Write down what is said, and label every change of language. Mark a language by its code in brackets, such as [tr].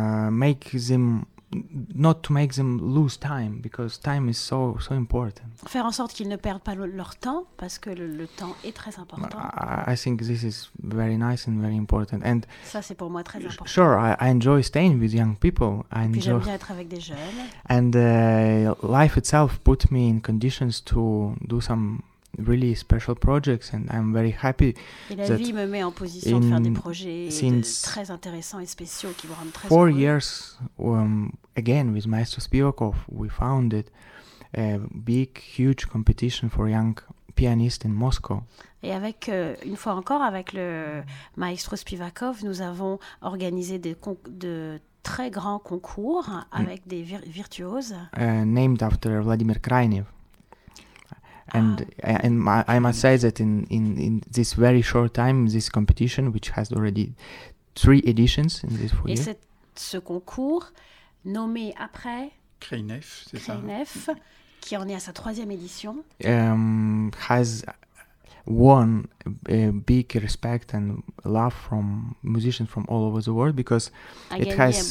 [en] Make them, not to make them lose time, because time is so, so important. [fr] Faire en sorte qu'ils ne perdent pas leur temps, parce que le temps est très important. [en] I think this is very nice and very important. And [fr] ça, c'est pour moi très important. [en] Sure, I enjoy staying with young people. [fr] Puis j'aime bien être avec des jeunes. [en] And life itself put me in conditions to do some really special projects, and I'm very happy. [fr] Et la vie me met en position de faire des projets très intéressants et spéciaux qui vont rendre très [en] four [fr] heureux. [en] Years, again with Maestro Spivakov, we founded a big, huge competition for young pianists in Moscow. [fr] Et avec une fois encore avec le Maestro Spivakov, nous avons organisé de très grands concours avec des virtuoses. [en] Named after Vladimir Krajnev. And I must say that in this very short time, this competition, which has already three editions in this four years. [fr] Et ce concours, nommé après Krajnev, c'est ça? Krajnev, qui en est à sa troisième édition. [en] Has won a big respect and love from musicians from all over the world, because it has